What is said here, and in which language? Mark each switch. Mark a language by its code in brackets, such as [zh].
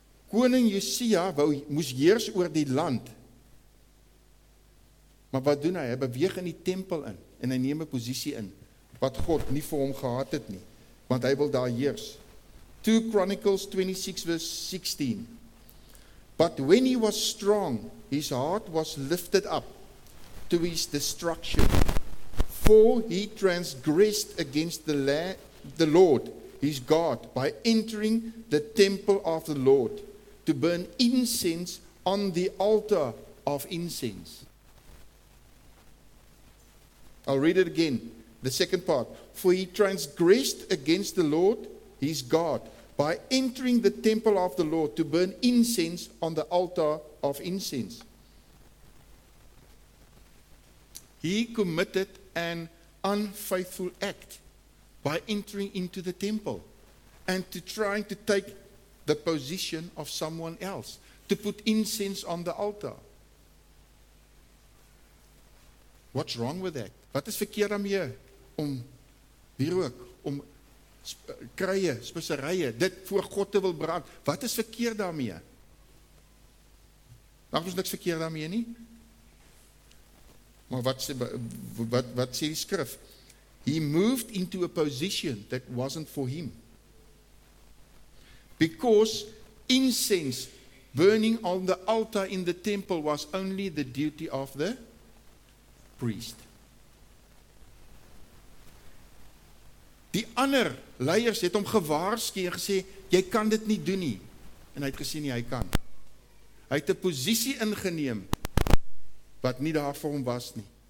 [af] Koning Josia moes heers oor die land. Maar wat doen hy? Hy beweeg in die tempel in en hy neem 'n posisie in wat God nie vir hom gehad het nie, want hy wil daar heers. [en] 2 Chronicles 26 verse 16. But when he was strong, his heart was lifted up to his destruction. For he transgressed against the Lord, his God, by entering the temple of the Lord to burn incense on the altar of incense. I'll read it again, the second part. For he transgressed against the Lord, his God, by entering the temple of the Lord to burn incense on the altar of incense. He committed an unfaithful act by entering into the temple and to trying to take the position of someone else, to put incense on the altar. What's wrong with that? [af] Wat is verkeerd daarmee om hier ook om kruie, speserye, dit voor God te wil brand. Wat is verkeerd daarmee? Mag ons niks verkeerd daarmee nie? Maar wat sê die skrif? [en] He moved into a position that wasn't for him. Because incense burning on the altar in the temple was only the duty of the priest. [af] Die ander leiers het hom gewaarsku en gesê, jy kan dit nie doen nie. En hy het gesê nie, hy kan. Hy het 'n posisie ingeneem wat nie daar vir hom was nie.